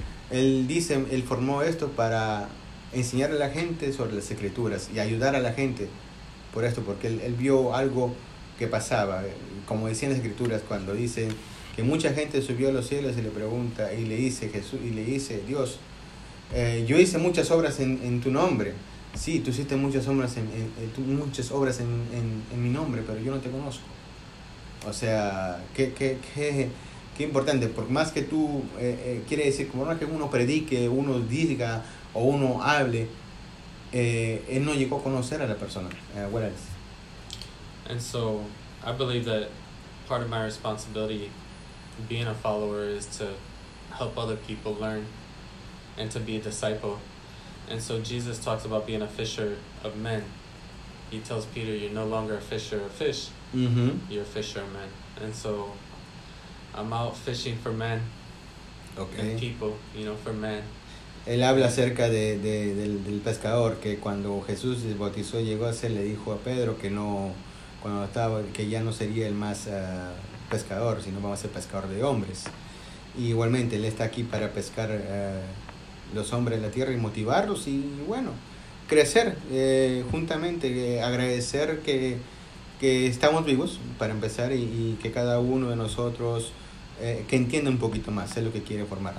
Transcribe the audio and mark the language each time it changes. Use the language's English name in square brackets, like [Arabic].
[Spanish] Él dice, él formó esto para enseñar a la gente sobre las escrituras y ayudar a la gente por esto, porque él vio algo que pasaba, como decían las escrituras cuando dice que mucha gente subió a los cielos y le pregunta y le dice Jesús y le dice Dios, yo hice muchas obras en tu nombre, sí, tú hiciste muchas obras en mi nombre, pero yo no te conozco. O sea, qué importante, por más que tú quiere decir, por más que uno predique, uno diga o uno hable, él no llegó a conocer a la persona. [English] What else? And so, I believe that part of my responsibility being a follower is to help other people learn and to be a disciple. And so, Jesus talks about being a fisher of men. He tells Peter, you're no longer a fisher of fish, mm-hmm. You're a fisher of men. And so, I'm out fishing for men, Okay. And people, you know, for men. [Spanish] Él habla acerca del pescador, que cuando Jesús se bautizó llegó a ser, le dijo a Pedro que no, cuando estaba, que ya no sería el más pescador, sino vamos a ser pescador de hombres. Y igualmente él está aquí para pescar los hombres de la tierra y motivarlos y bueno, crecer juntamente, agradecer que estamos vivos para empezar y que cada uno de nosotros que entienda un poquito más, es lo que quiere formar.